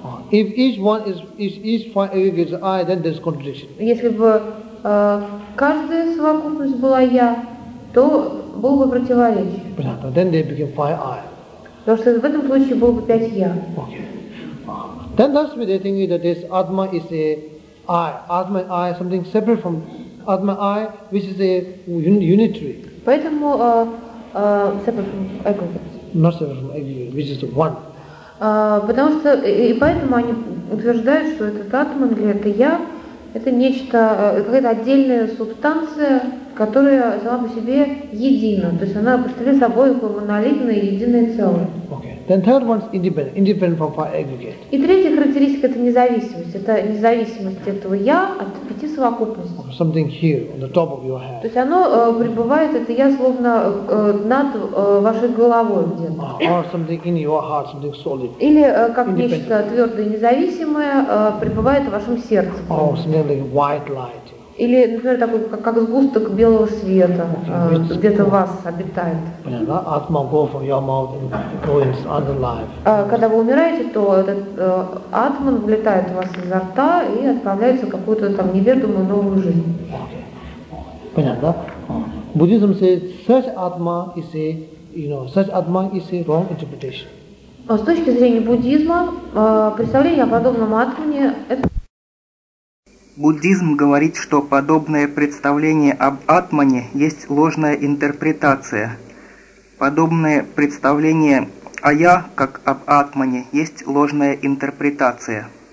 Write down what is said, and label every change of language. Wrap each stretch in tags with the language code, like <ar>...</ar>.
<en>If each one is each five aggregates I, then there's contradiction.</en> <ru>Если бы каждая совокупность была я, то было бы противоречие. Понятно.</ru> <en>Then they became five I.</en> <ru>Потому что в этом случае было бы пять я.</ru> <en>Okay. Then last week they think that this Atma is a I. Atma I something separate from Atma I, which is a unitary.</en> <ru>Поэтому</ru> <en>separate from ego. Not separate from ego, which is one.</en> <ru>Потому что и поэтому они утверждают, что этот атман или это я, это нечто, какая-то отдельная субстанция, которая сама по себе едина, то есть она представляет собой монолитное единое целое.</ru> <en>Okay. Then third one is independent, independent from five aggregates.</en> <ru>И третья характеристика — это независимость, это независимость этого я от пяти совокупностей.</ru> <en>Or something here on the top of your head.</en> <ru>То есть оно пребывает, это я, словно над вашей головой где-то.</ru> <en>Or something in your heart, something solid.</en> <ru>Или как нечто твердое, независимое пребывает в вашем сердце.</ru> <en>Or something like white light.</en> <ru>Или, например, такой, как сгусток белого света, где-то вас обитает.</ru> <en>Atma go from your mouth and go into other life.</en> <ru>Когда вы умираете, то этот атман влетает у вас изо рта и отправляется в какую-то там неведомую новую жизнь. Понятно, да?</ru> <en>Буддизм says such atma is a, you know, such atma is a wrong interpretation.</en> <ru>С точки зрения буддизма, представление о подобном атмане — это... Буддизм говорит, что подобное представление об атмане есть ложная интерпретация. Подобное представление о я как об атмане есть ложная интерпретация.</ru>